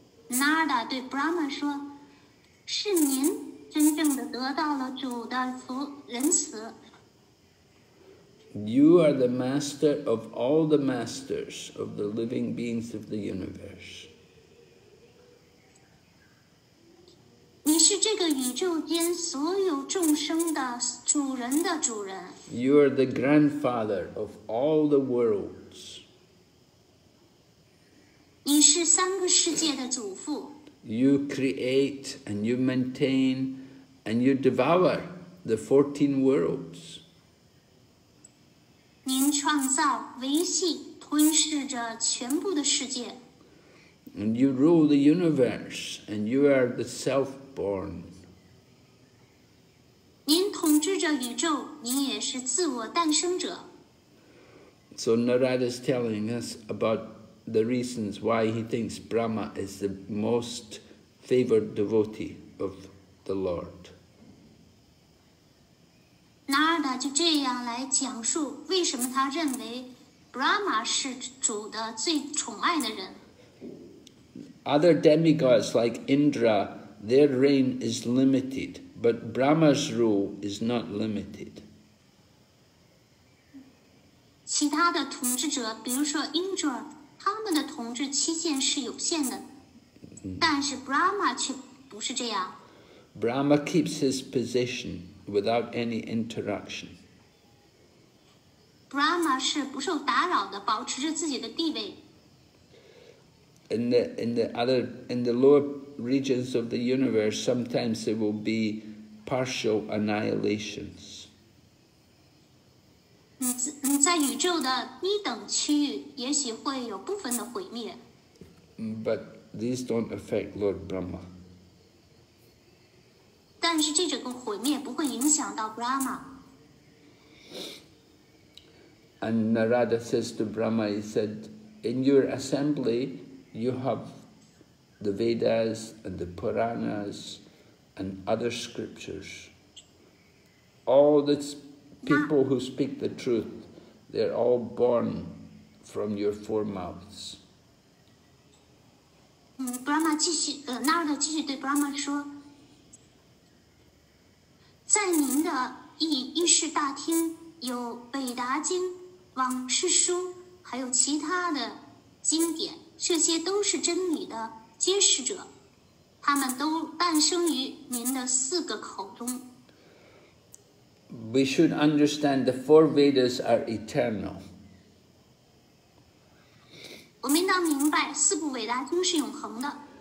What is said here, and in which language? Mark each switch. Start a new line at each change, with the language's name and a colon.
Chinese: Narada 对 Brahma 说，是您真正的得到了主的福仁慈。
English: You are the master of all the masters of the living beings of the universe.
Chinese: 你是这个宇宙间所有众生的主人的主人。
English: You are the grandfather of all the worlds.
Chinese: 你是三个世界的祖父。
English: You create and you maintain and you devour the 14 worlds.
Chinese: 您创造、维系、吞噬着全部的世界。
English: And you rule the universe and you are the self-born.
Chinese: 您统治着宇宙，您也是自我诞生者。
English: So Narada is telling us about the reasons why he thinks Brahma is the most favored devotee of the Lord.
Chinese: Narada 就这样来讲述为什么他认为 Brahma 是主的最宠爱的人。
English: Other demigods like Indra, their reign is limited, but Brahma's rule is not limited.
Chinese: 其他的统治者，比如说 Indra。他们的统治期限是有限的，但是 Brahma 却不是这样。
English: Brahma keeps his position without any interruption.
Chinese: Brahma 是不受打扰的，保持着自己的地位。
English: In the lower regions of the universe, sometimes there will be partial annihilations.
Chinese: 在宇宙的低等区域，也许会有部分的毁灭。
English: But these don't affect Lord Brahma.
Chinese: 但是这个毁灭不会影响到 Brahma。
English: And Narada says to Brahma, he said, in your assembly,you have the Vedas and the Puranas and other scriptures. All the people who speak the truth, they're all born from your four mouths.
Chinese: Brahma 继续，Narada 继续对 Brahma 说，在您的议事大厅有《北达经》、《往事书》，还有其他的经典。这些都是真理的揭示者，他们都诞生于您的四个口中。
English: We should understand the four Vedas are eternal.
Chinese: 我们应当明白四部伟大经是永恒的。